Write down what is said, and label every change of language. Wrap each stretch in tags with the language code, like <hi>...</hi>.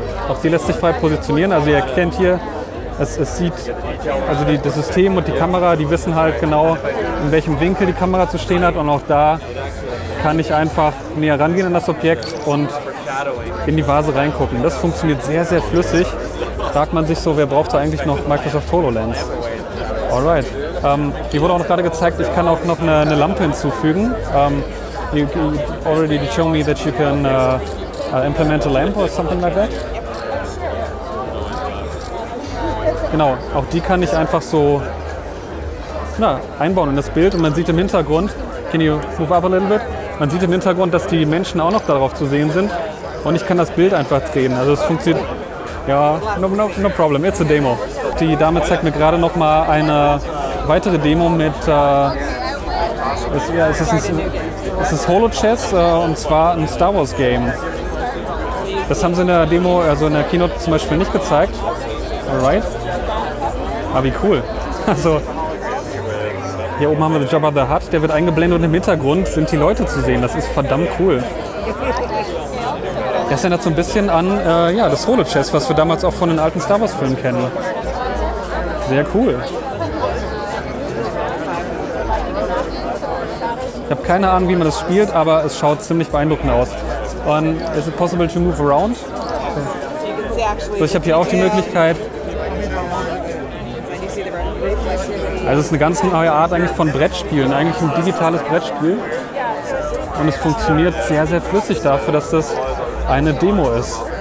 <de>Auch die lässt sich frei positionieren, also ihr erkennt hier, es sieht, also das System und die Kamera, die wissen halt genau, in welchem Winkel die Kamera zu stehen hat und auch da kann ich einfach näher rangehen an das Objekt und in die Vase reingucken. Das funktioniert sehr, sehr flüssig. Fragt man sich so, wer braucht da eigentlich noch Microsoft HoloLens? Alright. Hier wurde auch noch gerade gezeigt, ich kann auch noch eine Lampe hinzufügen.</de> <en>You already show me that you can implement a lamp or something like that.</en> <de>Genau, auch die kann ich einfach so einbauen in das Bild und man sieht im Hintergrund,</de> <en>can you move up a little bit?</en> <de>Man sieht im Hintergrund, dass die Menschen auch noch darauf zu sehen sind und ich kann das Bild einfach drehen. Also es funktioniert, ja,</de> <en>no problem, it's a demo.</en> <de>Die Dame zeigt mir gerade noch mal eine weitere Demo mit, es ist Holochess und zwar ein Star Wars Game. Das haben sie in der Demo, also in der Keynote zum Beispiel nicht gezeigt. Alright. Ah, wie cool. Also, hier oben haben wir Jabba the Hutt, der wird eingeblendet und im Hintergrund sind die Leute zu sehen. Das ist verdammt cool. Das erinnert so ein bisschen an das Holochess, was wir damals auch von den alten Star Wars Filmen kennen. Sehr cool. Ich habe keine Ahnung, wie man das spielt, aber es schaut ziemlich beeindruckend aus.</de> <en>Und is it possible to move around?</en> <de>So, ich habe hier auch die Möglichkeit. Also es ist eine ganz neue Art eigentlich von Brettspielen, eigentlich ein digitales Brettspiel. Und es funktioniert sehr, sehr flüssig dafür, dass das eine Demo ist.</de>